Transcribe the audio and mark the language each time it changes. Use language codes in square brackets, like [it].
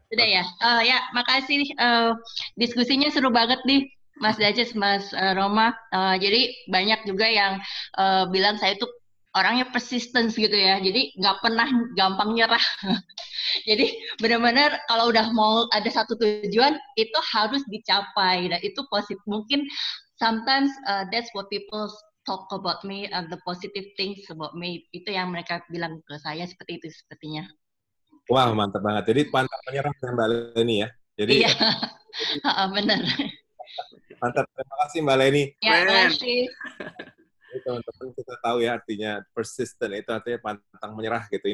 [id] Ya. Ya, makasih. Diskusinya seru banget nih, Mas Dajis, Mas Roma. Jadi banyak juga yang bilang saya tuh orangnya persistence gitu ya, jadi nggak pernah gampang nyerah. Jadi benar-benar kalau udah mau ada satu tujuan, itu harus dicapai. Nah, itu positif. Mungkin [en] sometimes that's what people talk about me, the positive things about me. [id] Itu yang mereka bilang ke saya, seperti itu sepertinya. Wah, wow, mantap banget. Jadi pantas menyerah dengan Mbak Leni ya. Jadi, iya, benar. Mantap, terima kasih Mbak Leni. Ya, terima kasih. Teman-teman kita tahu ya artinya persistent itu artinya pantang menyerah gitu.